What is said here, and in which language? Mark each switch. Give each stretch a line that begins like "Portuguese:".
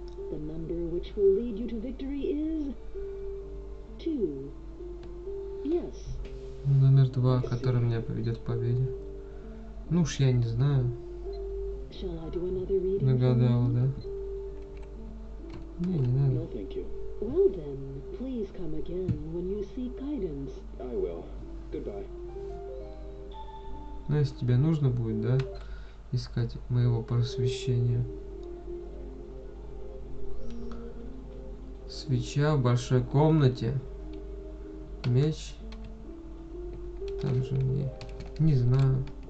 English: The number which will lead you to victory is 2. Yes.
Russian: Номер 2, который меня поведет к победе. Ну уж я не знаю.
English: Shall I do another reading?
Russian: Нагадал, да? Не, не надо.
English: No, thank you. Well then, please come again when you seek guidance. I will. Goodbye.
Russian: Ну, если тебе нужно будет, да, искать моего просвещения. Свеча в большой комнате. Меч. Там же мне. Не знаю.